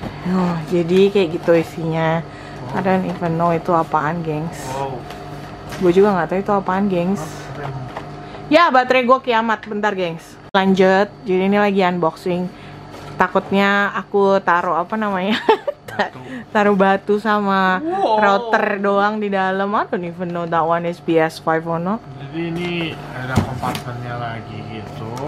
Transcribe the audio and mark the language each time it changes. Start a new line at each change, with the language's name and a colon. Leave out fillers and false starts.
Indonesian: Oh, jadi kayak gitu isinya.
English: I don't even know
Indonesian: itu apaan, gengs. Gue juga gak tahu itu apaan, gengs. Ya, baterai gue kiamat. Bentar, gengs. Lanjut. Jadi ini lagi unboxing. Takutnya aku taruh apa namanya? Taruh batu sama router doang di dalam.
English: I don't even know that one is PS5 or not.
Indonesian: Jadi ini ada kompartemennya lagi gitu.